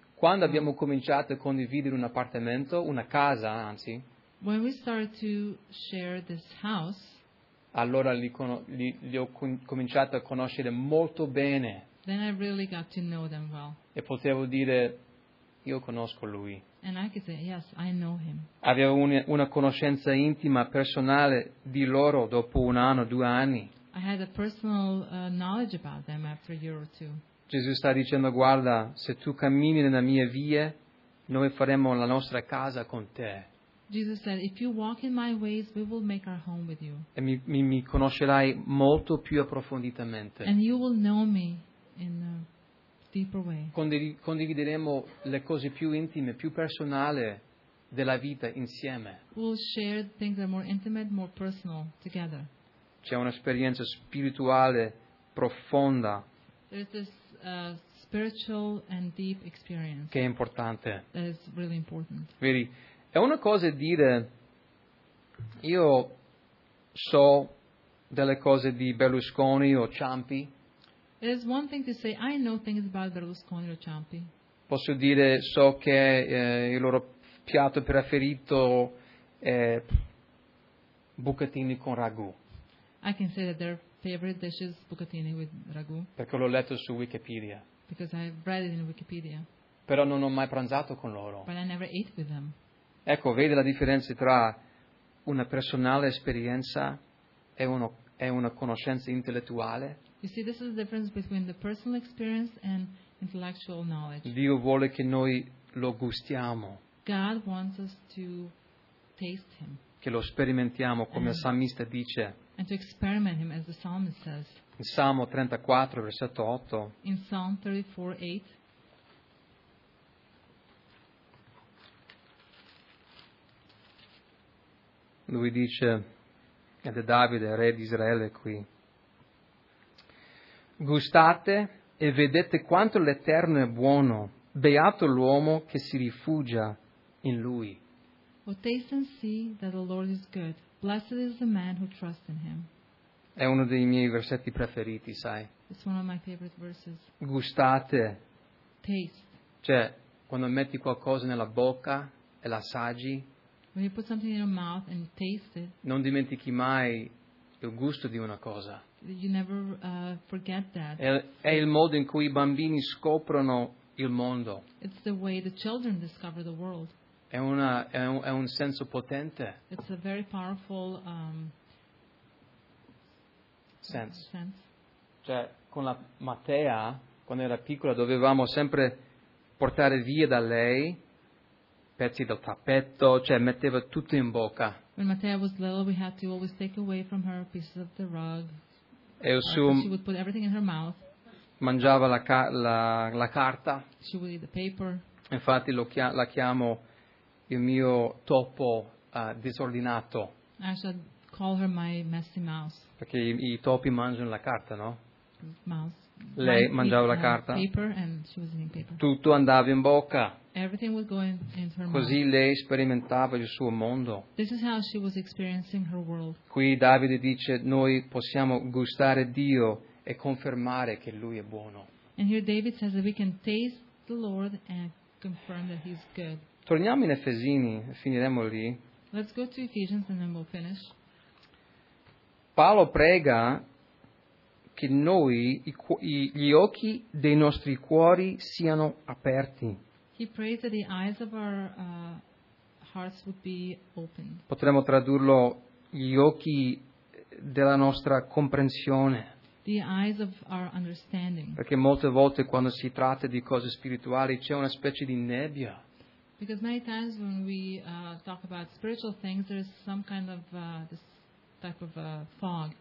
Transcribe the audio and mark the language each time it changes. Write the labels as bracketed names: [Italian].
[Italian] Quando abbiamo cominciato a condividere un appartamento, una casa, anzi. [English] When we started to share this house. [Italian] Allora li ho cominciato a conoscere molto bene. [English] Then I really got to know them well. [Italian] E potevo dire, io conosco lui. [English] And I could say, yes, I know him. [Italian] Avevo una conoscenza intima, personale di loro dopo un anno, 2 anni. [English] I had a personal knowledge about them after a year or two. [Italian] Gesù sta dicendo, guarda, se tu cammini nella mia via, noi faremo la nostra casa con te. [English] Jesus said, if you walk in my ways, we will make our home with you. [Italian] E mi conoscerai molto più approfonditamente. [English] And you will know me in a deeper way. [Italian] Condivideremo le cose più intime, più personali della vita insieme. [English] We'll share things that are more intimate, more personal together. [Italian] C'è un'esperienza spirituale profonda. [English] There's this spiritual and deep experience. [Italian] Che è importante. [English] That is really important. [Italian] Vedi? È una cosa dire, io so delle cose di Berlusconi o Ciampi. [English] It is one thing to say, I know things about Berlusconi o Ciampi. [Italian] Posso dire, so che il loro piatto preferito è bucatini con ragù. [English] I can say that their favorite dish is bucatini with ragù. [Italian] Perché l'ho letto su Wikipedia. [English] Because I've read it in Wikipedia. [Italian] Però non ho mai pranzato con loro. [English] But I never ate with them. [Italian] Ecco, vede la differenza tra una personale esperienza e una conoscenza intellettuale? [English] You see, this is the difference between the personal experience and intellectual knowledge. [Italian] Dio vuole che noi lo gustiamo. [English] God wants us to taste him. [Italian] Che lo sperimentiamo, come il salmista dice. [English] And to experiment him, as the psalmist says. [Italian] In Salmo 34, versetto 8. [English] In Psalm 34, 8. [Italian] Lui dice, ed è Davide, re di Israele qui, gustate e vedete quanto l'Eterno è buono, beato l'uomo che si rifugia in Lui. [English] Oh, taste and see that the Lord is good. Blessed is the man who trusts in Him. [Italian] È uno dei miei versetti preferiti, sai. [English] It's one of my favorite verses. [Italian] Gustate. [English] Taste. [Italian] Cioè, quando metti qualcosa nella bocca e l'assaggi. [English] When you put something in your mouth and taste it. [Italian] Non dimentichi mai il gusto di una cosa. [English] You never forget that. [Italian] È il modo in cui i bambini scoprono il mondo. [English] It's the way the children discover the world. [Italian] È un senso potente. [English] It's a very powerful sense. [Italian] Cioè, con la Matea, quando era piccola, dovevamo sempre portare via da lei pezzi del tappeto, cioè metteva tutto in bocca. [English] When Matea was little, we had to always take away from her pieces of the rug. [Italian] E [English] she would put everything in her mouth. [Italian] Mangiava la carta. [English] She would eat the paper. [Italian] Infatti la chiamo il mio topo disordinato. [English] I should call her my messy mouse. [Italian] Perché i topi mangiano la carta, no? [English] Mouse. [Italian] Lei mangiava la carta. [English] Paper and she was eating paper. [Italian] Tutto andava in bocca. [English] Everything would go in her mouth. [Italian] Così lei sperimentava il suo mondo. [English] This is how she was experiencing her world. [Italian] Qui Davide dice, noi possiamo gustare Dio e confermare che Lui è buono. [English] And here David says that we can taste the Lord and confirm that He's good. [Italian] Torniamo in Efesini e finiremo lì. [English] Let's go to Ephesians and then we'll finish. [Italian] Paolo prega che noi, gli occhi dei nostri cuori siano aperti. [English] He prays that the eyes of our hearts would be opened. [Italian] Potremmo tradurlo gli occhi della nostra comprensione. [English] The eyes of our understanding. [Italian] Perché molte volte quando si tratta di cose spirituali c'è una specie di nebbia. [English] Because many times when we talk about spiritual things there's some kind of this type of fog.